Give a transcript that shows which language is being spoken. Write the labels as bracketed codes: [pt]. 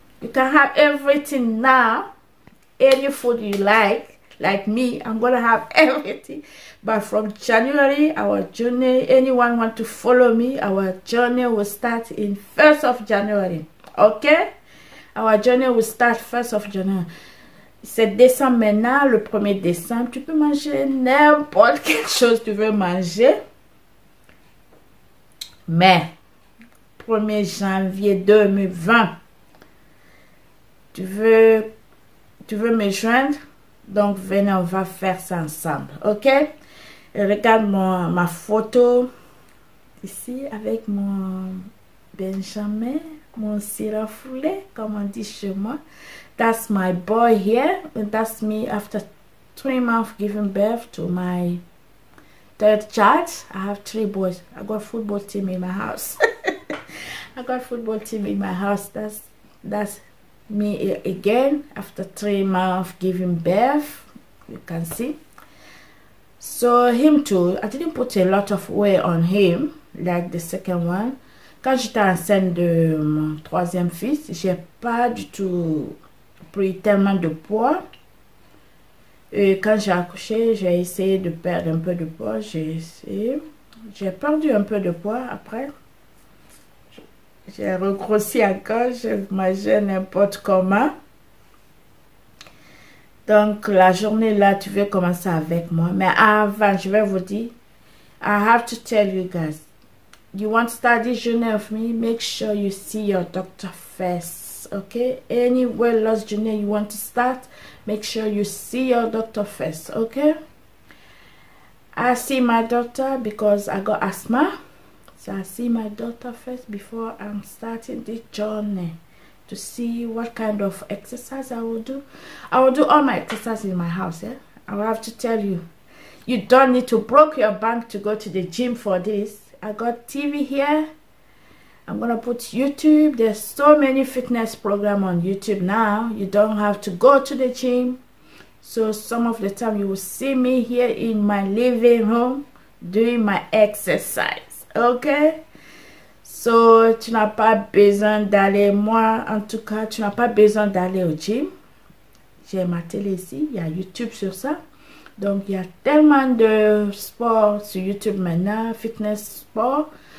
[en] You can have everything now, any food you like me, I'm gonna have everything. But from January, our journey, anyone want to follow me, our journey will start in 1st of January, okay? Our journey will start 1st of January. [fr] C'est décembre maintenant, le 1er décembre, tu peux manger n'importe quelle chose tu veux manger. Mais, 1er janvier 2020, Tu veux me joindre? Donc venez, on va faire ça ensemble, ok? Et regarde ma photo ici avec mon Benjamin, mon sirafoulet, comme on dit chez moi. [en] That's my boy here. And that's me after 3 months giving birth to my third child. I have 3 boys. I got a football team in my house. I got a football team in my house. That's me again after 3 months giving birth, you can see. So him too, I didn't put a lot of weight on him like the second one. [fr] Quand j'étais enceinte de mon troisième fils, j'ai pas du tout pris tellement de poids. Et quand j'ai accouché, j'ai essayé de perdre un peu de poids. J'ai perdu un peu de poids après. J'ai regrossi encore, je mangeais n'importe comment. Donc, la journée là, tu veux commencer avec moi. Mais avant, je vais vous dire, [en] I have to tell you guys, you want to start this journey with me, make sure you see your doctor first, okay? Any weight loss journey you want to start, make sure you see your doctor first, okay? I see my doctor because I got asthma. So I see my daughter first before I'm starting this journey to see what kind of exercise I will do. I will do all my exercise in my house, yeah? I will have to tell you, you don't need to broke your bank to go to the gym for this. I got TV here. I'm gonna put YouTube. There's so many fitness programs on YouTube now. You don't have to go to the gym. So some of the time you will see me here in my living room doing my exercise. [fr] Ok, so tu n'as pas besoin d'aller, moi en tout cas, tu n'as pas besoin d'aller au gym. J'ai ma télé ici, il y a YouTube sur ça. Donc, il y a tellement de sports sur YouTube maintenant, fitness sport.